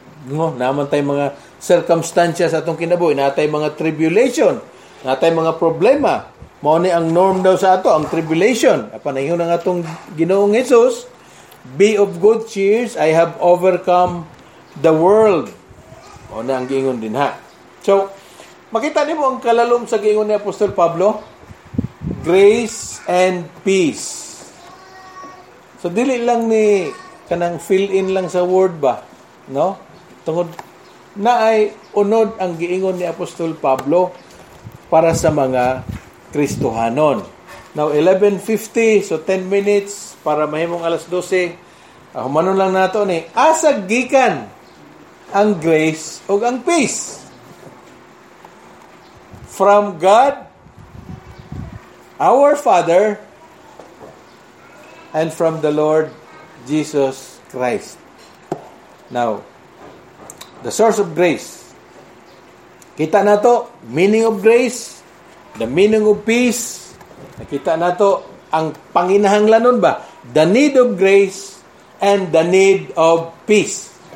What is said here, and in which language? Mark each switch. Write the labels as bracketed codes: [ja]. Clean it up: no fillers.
[ceb] No, naman tayo mga circumstances sa atong kinabuhi, natay mga tribulation, natay mga problema. Mauni ang norm daw sa ato, ang tribulation. Panahon ng atong Ginoong Jesus, [en] be of good cheer, I have overcome the world. [ceb] Mauni ang giingon din ha. So, makita niyo ang kalalom sa giingon ni Apostol Pablo? Grace and peace. So, dili lang ni kanang fill in lang sa word ba, no? Tungod na ay unod ang giingon ni Apostol Pablo para sa mga Kristohanon. Now 11:50, so 10 minutes para mahimong alas 12. Humanon lang nato ni asa gikan ang grace o ang peace [en] from God our Father and from the Lord Jesus Christ. Now, the source of grace. [ceb] Kita na to, meaning of grace, the meaning of peace. Kita na to, ang panginahanglan nun ba? [en] The need of grace and the need of peace.